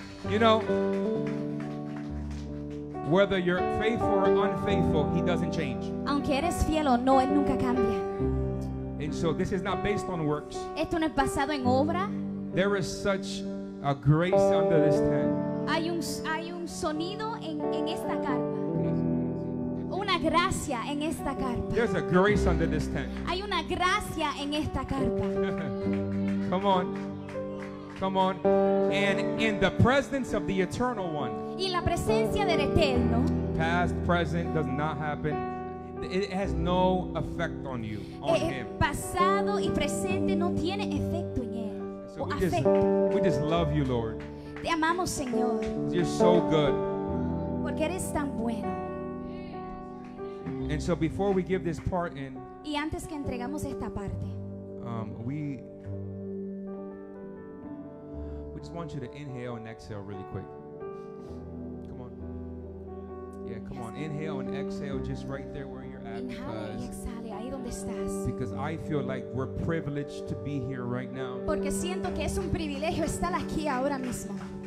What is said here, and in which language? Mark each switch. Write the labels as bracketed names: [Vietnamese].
[English] You know, whether you're faithful or unfaithful, he doesn't change. [Spanish] Aunque eres fiel o no, él nunca cambia. [English] And so this is not based on works. [Spanish] Esto no es basado en obra. [English] There is such a grace under this tent. [Spanish] Hay un sonido en esta carpa. Una gracia en esta carpa. [English] There's a grace under this tent. [Spanish] Hay una gracia en esta carpa. [English] Come on. Come on. And in the presence of the eternal one. [Spanish] Y la presencia del eterno. [English] Past, present, does not happen. It has no effect on you, on him. [Spanish] Pasado y presente no tiene efecto en él. [English] So we just love you, Lord. [Spanish] Te amamos, Señor. [English] You're so good. [Spanish] Porque eres tan bueno. [English] And so before we give this part in, [Spanish] y antes que entregamos esta parte, [English] we just want you to inhale and exhale really quick. Come on. Yeah, come on. Inhale and exhale just right there where you're at. [Spanish] Inhale y exhale, ahí donde estás. [English] Because I feel like we're privileged to be here right now. [Spanish] Porque siento que es un privilegio estar aquí ahora mismo.